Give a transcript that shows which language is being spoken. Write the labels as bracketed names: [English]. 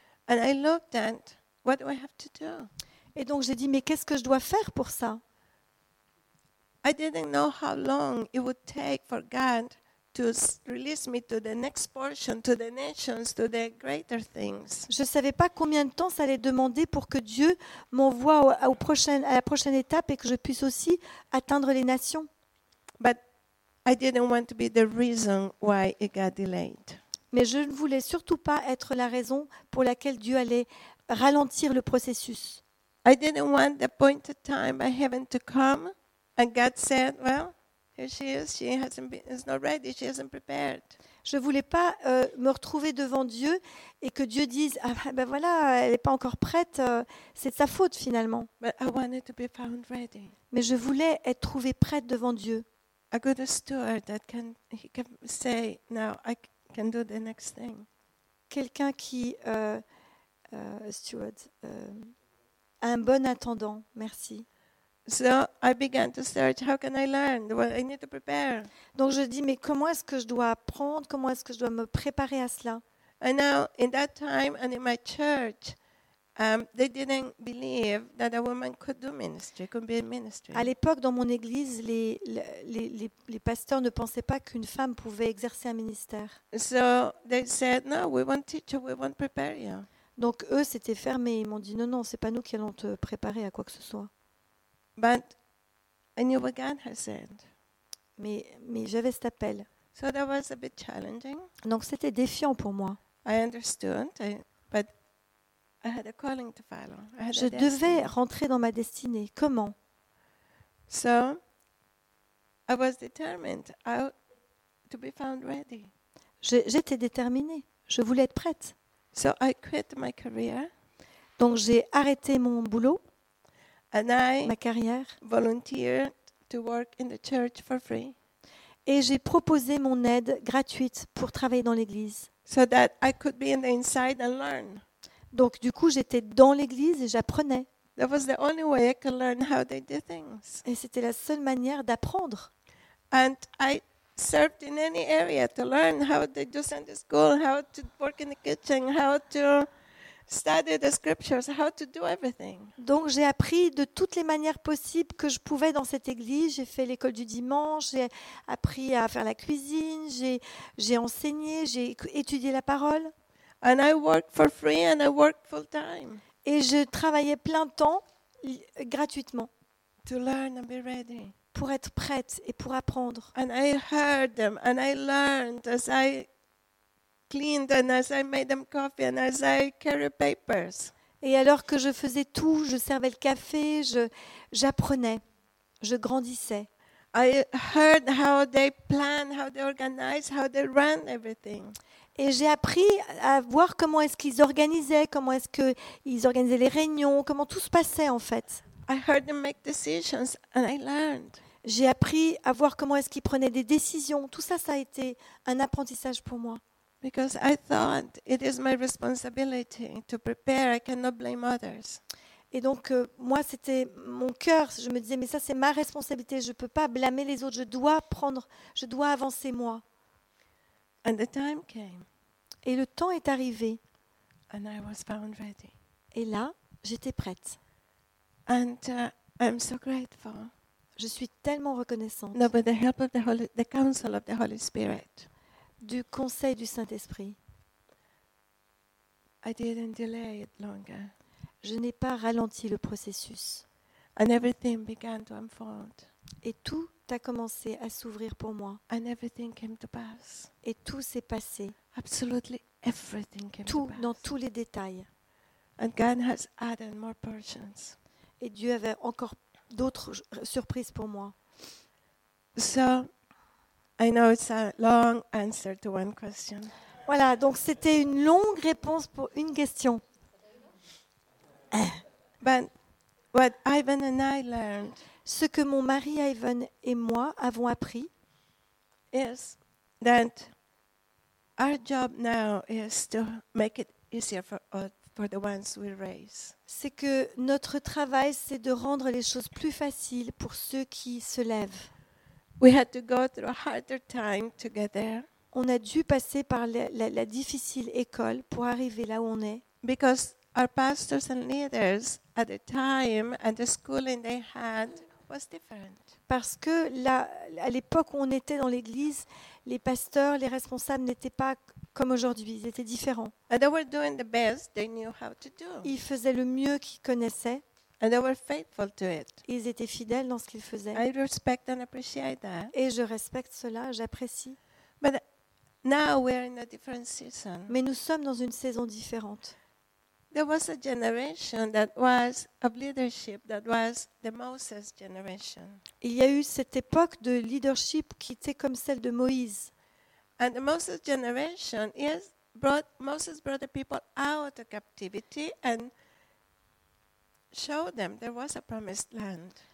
[English] And I looked at what do I have to do? [French] Et donc j'ai dit mais qu'est-ce que je dois faire pour ça? [English] I didn't know how long it would take for God to release me to the next portion, to the nations, to the greater things. [French] Je savais pas combien de temps ça allait demander pour que Dieu m'envoie à la prochaine étape et que je puisse aussi atteindre les nations. [English] But I didn't want to be the reason why it got delayed. [French] Mais je ne voulais surtout pas être la raison pour laquelle Dieu allait ralentir le processus. [English] I didn't want the appointed time by heaven to come and God said, well, here she is, she hasn't been, is not ready, she hasn't prepared. [French] Je voulais pas me retrouver devant Dieu et que Dieu dise, ah ben voilà, elle est pas encore prête, c'est de sa faute finalement. [English] But I wanted to be found ready. [French] Mais je voulais être trouvée prête devant Dieu. [English] A good steward that can say now I can do the next thing. [French] Quelqu'un qui steward un bon attendant. Merci. [English] So I began to search. How can I learn? Well, I need to prepare. [French] Donc je dis mais comment est-ce que je dois apprendre? Comment est-ce que je dois me préparer à cela? [English] And now in that time and in my church. They didn't believe that a woman could do ministry, could be a ministry. [French] À l'époque, dans mon église, les pasteurs ne pensaient pas qu'une femme pouvait exercer un ministère. [English] So they said, no, we won't teach you, we won't prepare you. [French] Donc eux, c'était fermé. Ils m'ont dit, non, c'est pas nous qui allons te préparer à quoi que ce soit. [English] But I knew what God had said. [French] Mais j'avais cet appel. [English] So that was a bit challenging. [French] Donc c'était défiant pour moi. [English] I understood, but I had a calling to follow. [French] Je devais rentrer dans ma destinée. Comment? [English] So, I was determined to be found ready. [French] J'étais déterminée. Je voulais être prête. [English] So I quit my career. [French] Donc j'ai arrêté mon boulot. [English] And I [French] ma carrière. [English] Volunteered to work in the church for free. [French] Et j'ai proposé mon aide gratuite pour travailler dans l'église. [English] So that I could be in the inside and learn. [French] Donc du coup, j'étais dans l'église et j'apprenais. [English] That was the only way I could learn how they do things. [French] Et c'était la seule manière d'apprendre. [English] And I served in any area to learn how they do Sunday school, how to work in the kitchen, how to study the scriptures, how to do everything. [French] Donc j'ai appris de toutes les manières possibles que je pouvais dans cette église. J'ai fait l'école du dimanche, j'ai appris à faire la cuisine, j'ai enseigné, j'ai étudié la parole. [English] And I worked for free and I worked full time. [French] Et je travaillais plein temps gratuitement. [English] To learn and be ready. [French] Pour être prête et pour apprendre. [English] And I heard them and I learned as I cleaned and as I made them coffee and as I carried papers. [French] Et alors que je faisais tout, je servais le café, j'apprenais, je grandissais. [English] I heard how they plan, how they organize, how they run everything. [French] Et j'ai appris à voir comment est-ce qu'ils organisaient, comment est-ce qu'ils organisaient les réunions, comment tout se passait en fait. [English] I heard them make decisions and I learned. [French] J'ai appris à voir comment est-ce qu'ils prenaient des décisions. Tout ça, ça a été un apprentissage pour moi. [English] Because I thought it is my responsibility to prepare. I cannot blame others. [French] Et donc, moi, c'était mon cœur. Je me disais, mais ça, c'est ma responsabilité. Je ne peux pas blâmer les autres. Je dois avancer moi. [English] And the time came. [French] Et le temps est arrivé. [English] And I was found ready. [French] Et là, j'étais prête. [English] And I'm so grateful. [French] Je suis tellement reconnaissante. [English] No, but the help of the counsel of the Holy Spirit. [French] Du conseil du Saint-Esprit. [English] I didn't delay it longer. [French] Je n'ai pas ralenti le processus. [English] And everything began to unfold. [French] Et tout a commencé à s'ouvrir pour moi. [English] And everything came to pass. [French] Et tout s'est passé. [English] Absolutely everything came [French] tout, [English] to pass. [French] Dans tous les détails. [English] And God has added more portions. [French] Et Dieu avait encore d'autres surprises pour moi. [English] So, I know it's a long answer to one question. [French] Voilà, donc c'était une longue réponse pour une question. [English] But what Ivan and I learned, [French] ce que mon mari Ivan et moi avons appris, [English] is that our job now is to make it easier for us. For the ones we raise. [French] C'est que notre travail, c'est de rendre les choses plus faciles pour ceux qui se lèvent. [English] We had to go through a harder time to get there. [French] On a dû passer par la difficile école pour arriver là où on est. [English] Because our pastors and leaders at the time and the schooling they had was different. [French] Parce que là, à l'époque où on était dans l'église, les pasteurs, les responsables n'étaient pas comme aujourd'hui, ils étaient différents. [English] And they were doing the best they knew how to do. [French] Ils faisaient le mieux qu'ils connaissaient. [English] And they were faithful to it. [French] Ils étaient fidèles dans ce qu'ils faisaient. [English] I respect and appreciate that. [French] Et je respecte cela, j'apprécie. [English] But now we are in a different season. [French] Mais nous sommes dans une saison différente. [English] There was a generation that was of leadership that was the Moses generation. [French] Il y a eu cette époque de leadership qui était comme celle de Moïse. [English] And the Moses generation brought the people out of captivity and showed them there was a promised land.